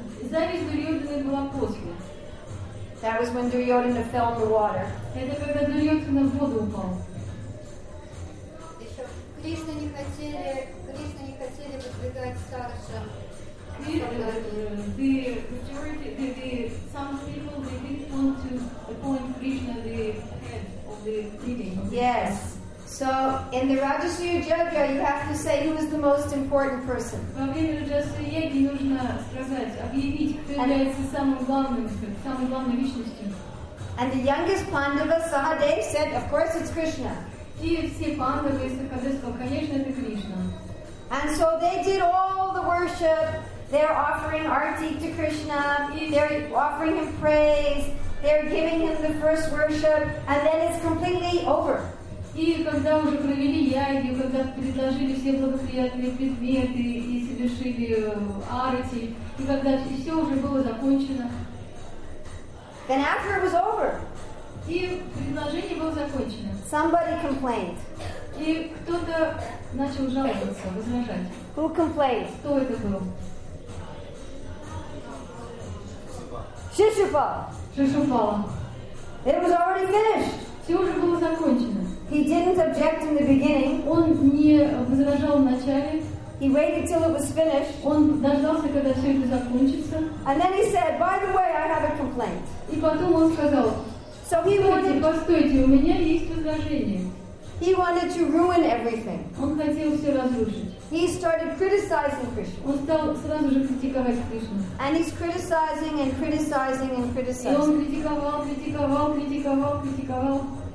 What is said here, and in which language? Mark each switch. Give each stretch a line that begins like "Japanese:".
Russian: Зависть Дурьодхана была после.
English: That was when Duryodhana fell in the water.
Russian: Это когда Дурьодхана в воду упал. Кришна не хотели выдвигать старшим.
English: The some people, they didn't want to appoint Krishna the head of the meeting. Yes. So in the Rajasuya Yagya, you have to say who is the most important person.
Russian: Во время Раджасуи Яги нужно сказать, объявить, кто является самой главной личностью.
English: And the youngest Pandava, Sahadev, said, of course it's Krishna.
Russian: И все Пандавы из Сахадевства, конечно, это Кришна.
English: And so they did all the worship. They're offering arti to Krishna. They're offering him praise. They're giving him the first worship, and then it's completely over.
Russian: И когда уже провели яги, когда предложили все благоприятные предметы и совершили арати, и когда все уже было закончено.
English: Then after it was over.
Russian: И предложение было закончено.
English: Somebody complained.
Russian: И кто-то начал жаловаться, возражать.
English: Who complained?
Russian: Кто это был? Шишупал. Шишупал.
English: It was already finished.
Russian: Все уже было закончено.
English: He didn't object in the beginning.
Russian: Он не возражал в начале.
English: He waited till it was finished.
Russian: Он дождался, когда все это закончится.
English: And then he said, "By the way, I have a complaint."
Russian: И потом он сказал.
English: So he wanted.
Russian: Постойте, у меня есть возражение.
English: He wanted to ruin everything.
Russian: Он хотел все разрушить.
English: He started criticizing Krishna.
Russian: Он стал сразу же критиковать Кришну.
English: And he's criticizing and criticizing and criticizing.
Russian: И он критиковал.